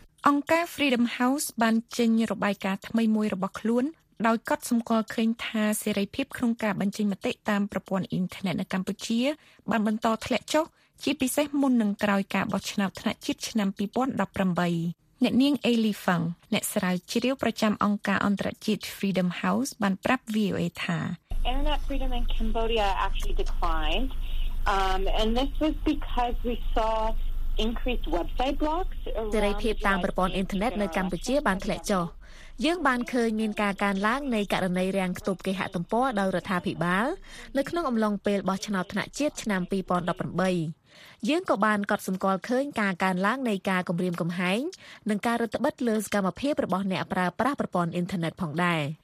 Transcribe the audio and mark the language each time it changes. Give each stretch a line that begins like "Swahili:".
Khmer: អង្គការ Freedom House បានចេញរបាយការណ៍ថ្មីមួយរបស់ខ្លួនដោយកត់សម្គាល់ឃើញថាសេរីភាពក្នុងការបញ្ចេញមតិតាមប្រព័ន្ធអ៊ីនធឺណិតនៅកម្ពុជាបានបន្តធ្លាក់ចុះជាពិសេសមុននឹងក្រោយការបោះឆ្នោតថ្នាក់ជាតិឆ្នាំ2018អ្នកនាងអេលីហ្វង់អ្នកស្រាវជ្រាវប្រចាំអង្គការអន្តរជាតិ Freedom House បានប្រាប់ VOA ថា
English: Internet freedom in Cambodia actually declined and this was because we saw increased website blocks
Khmer: សេរីភាពតាមប្រព័ន្ធអ៊ីនធឺណិតនៅកម្ពុជាបានធ្លាក់ចុះយើងបានឃើញមានការកើនឡើងនៃករណីរាំងខ្ទប់គេហទំព័រដោយរដ្ឋាភិបាលនៅក្នុងអំឡុងពេលបោះឆ្នោតថ្នាក់ជាតិឆ្នាំ2018យើងក៏បានកត់សម្គាល់ឃើញការកើនឡើងនៃការគំរាមកំហែងនិងការរឹតបន្តឹងលើសកម្មភាពរបស់អ្នកប្រើប្រាស់ប្រព័ន្ធអ៊ីនធឺណិតផងដែរ